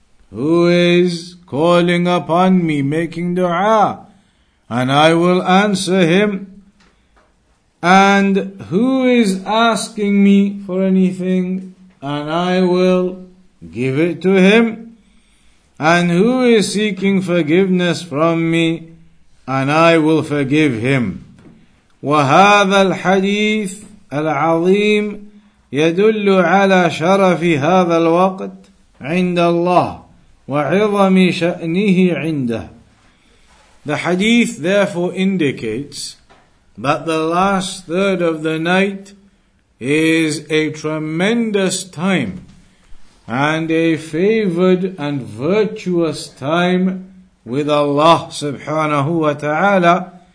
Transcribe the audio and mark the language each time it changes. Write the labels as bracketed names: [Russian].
[English] Who is calling upon me, making dua, and I will answer him? And who is asking me for anything, and I will give it to him? And who is seeking forgiveness from me, and I will forgive him? [Arabic] وهذا الحديث العظيم يدل على شرف هذا الوقت عند الله وعظم شأنه عنده. [English] The hadith therefore indicates that the last third of the night is a tremendous time and a favored and virtuous time with Allah subhanahu wa ta'ala.